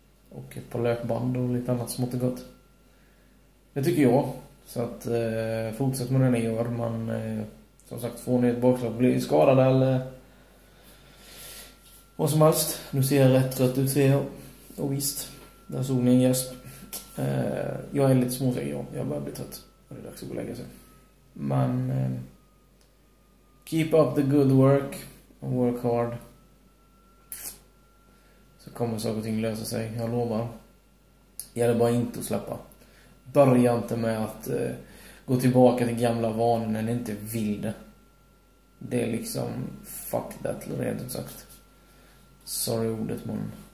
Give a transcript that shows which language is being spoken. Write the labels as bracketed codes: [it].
[sv] Och ett par löpband och lite annat smått och gott. Det tycker jag. Så att fortsätt med det ni gör. Men som sagt få ner ett bakslag, bli skadad eller vad som helst. Nu ser jag rätt trött ut, ser jag. Och visst, där såg ni en gäsp. Jag är lite småsäker, ja. Jag börjar bli trött. Och det är dags att gå och lägga sig. Men [en] keep up the good work and work hard. [sv] Så kommer saker och ting lösa sig, jag lovar. Gäller bara inte att släppa. Börja inte med att gå tillbaka till gamla vanor när ni inte vill det. Det är liksom [en] fuck that, [sv] rent sagt. Sorry ordet, man.